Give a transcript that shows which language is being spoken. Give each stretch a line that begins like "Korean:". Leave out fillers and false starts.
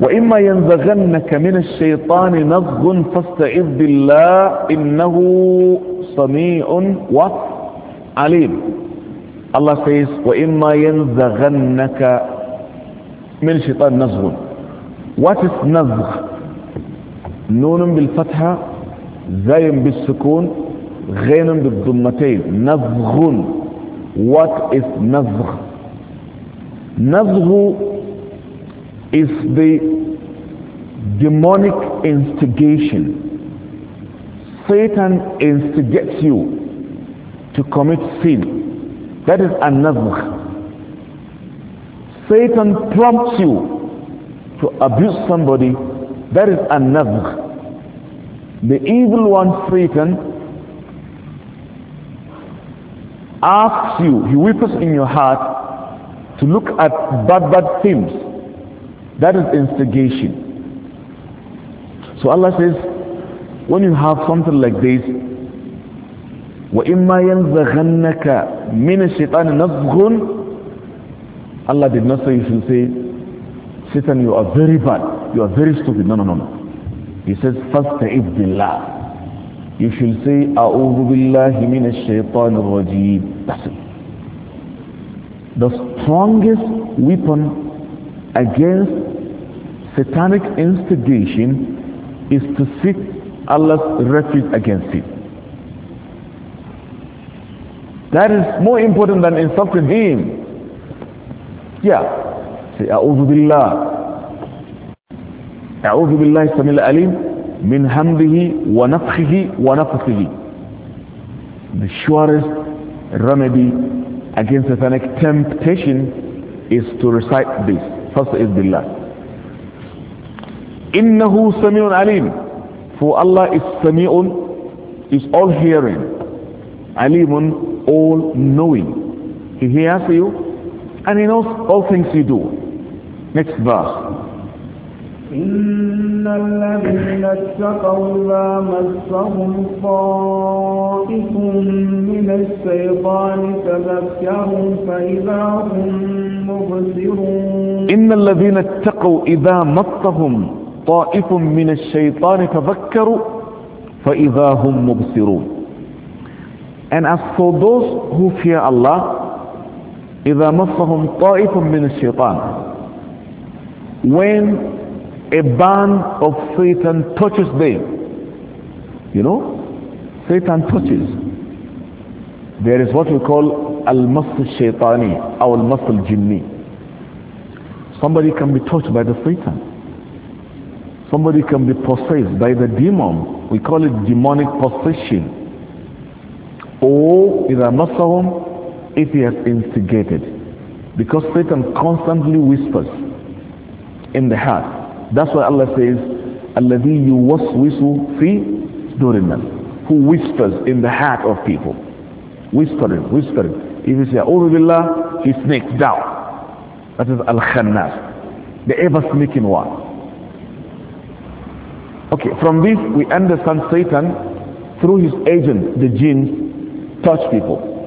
Arabic: وإما ينزغنك من الشيطان نزغ فاستعذ بالله إنه سميع وعليم. الله
English: says
Arabic: وإما ينزغنك من الشيطان نزغ.
English: What is
Arabic: نزغ؟ نون بالفتحة زاي بالسكون غين بالضمتين نزغ.
English: What is نزغ؟ نزغ is the demonic instigation. Satan instigates you to commit sin. That is a نزغ. Satan prompts you to abuse somebody. That is a نزغ. The evil one, Satan, asks you, he whispers in your heart, to look at bad things. That is instigation. So Allah says, when you have something like this,
Arabic: وَإِمَّا يَنْزَغَنَّكَ مِنَ الشَّيْطَانِ نَزْغٌ.
English: Allah did not say, you should say, Satan, you are very bad, you are very stupid. No. He says,
Arabic: فَاسْتَعِذْ بِاللَّهِ.
English: You should say,
Arabic: أَعُوذُ بِاللَّهِ مِنَ الشَّيْطَانِ الرَّجِيمِ.
English: That's it. The strongest weapon against satanic instigation is to seek Allah's refuge against it. That is more important than insulting him. Yeah. Say,
Arabic: أَعُوذُ بِاللَّهِ. أَعُوذُ بِاللَّهِ السَّمِيعِ الْعَلِيمِ مِنْ هَمْدِهِ وَنَفْخِهِ وَنَفْخِهِ.
English: The surest remedy against satanic temptation is to recite this.
Arabic: فَاسْتَعِذْ بِاللَّهِ. إِنَّهُ سَمِيعٌ عَلِيمٌ.
English: For Allah is سَمِيعٌ, is all-hearing. عَلِيمٌ, all-knowing. He hears you and he knows all things you do. Next verse.
Arabic: إن الذين اتقوا الله مسهم طائف من الشيطان تذكروا فإذا هم مبصرون. إن الذين اتقوا إذا مسهم طائف من الشيطان تذكروا فإذا هم مبصرون.
English: And as for those who fear Allah,
Arabic: إذا مسهم طائف من الشيطان,
English: when a band of Satan touches them, you know, Satan touches, there is what we call al-mas al-shaytani or al-mas al-jinni. Somebody can be touched by the Satan. Somebody can be possessed by the demon. We call it demonic possession. Or
Arabic: إذا مسهم,
English: if he has instigated, because Satan constantly whispers in the heart. That's why Allah says,
Arabic: الَّذِي يُوَسْوِسُ فِي دُورِ النَّاسِ.
English: Who whispers in the heart of people. Whispering. If you say,
Arabic: أَعُوذُ بِاللَّهِ,
English: he sneaks down. That is Al-Khannas. The ever-sneaking one. Okay, from this we understand Satan, through his agent, the jinn, touch people.